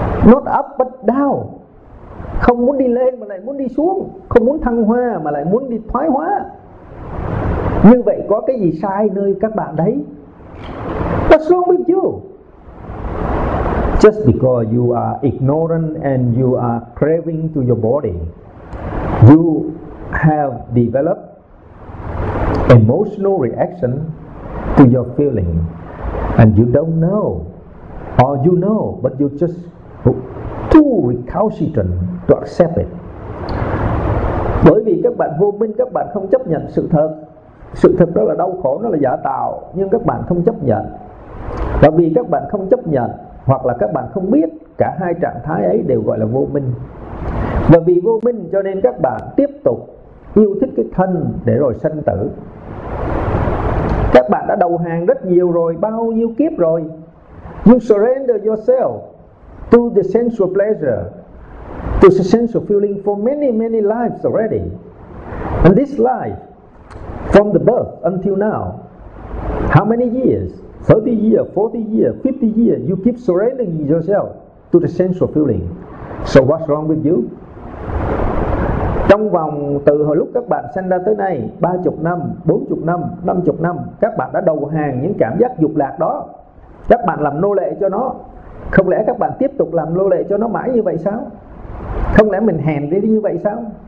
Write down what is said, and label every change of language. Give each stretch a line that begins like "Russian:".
English: Not up but down.
Vietnamese: Không muốn đi lên mà lại muốn đi xuống. Không muốn thăng hoa mà lại muốn đi thoái hóa. Như vậy có cái gì sai nơi các bạn đấy?
English: What's wrong with you? Just because you are ignorant and you are craving to your body, you have developed emotional reaction to your feeling, and you don't know, or you know, but you're just too recalcitrant to accept it.
Vietnamese: Bởi vì các bạn vô minh, các bạn không chấp nhận sự thật. Sự thật đó là đau khổ, nó là giả tạo, nhưng các bạn không chấp nhận. Và vì các bạn không chấp nhận, hoặc là các bạn không biết, cả hai trạng thái ấy đều gọi là vô minh. Và vì vô minh cho nên các bạn tiếp tục yêu thích cái thân để rồi sanh tử. Các bạn đã đầu hàng rất nhiều rồi, bao nhiêu kiếp rồi.
English: You surrender yourself to the sensual pleasure, to the sensual feeling for many, many lives already. And this life, from the birth until now, how many years? 30 years, 40 years, 50 years, you keep surrendering yourself to the sensual feeling. So what's wrong with you?
Vietnamese: Trong vòng từ hồi lúc các bạn sinh ra tới nay, 30 năm, 40 năm, 50 năm, các bạn đã đầu hàng những cảm giác dục lạc đó. Các bạn làm nô lệ cho nó. Không lẽ các bạn tiếp tục làm nô lệ cho nó mãi như vậy sao? Không lẽ mình hèn đi như vậy sao?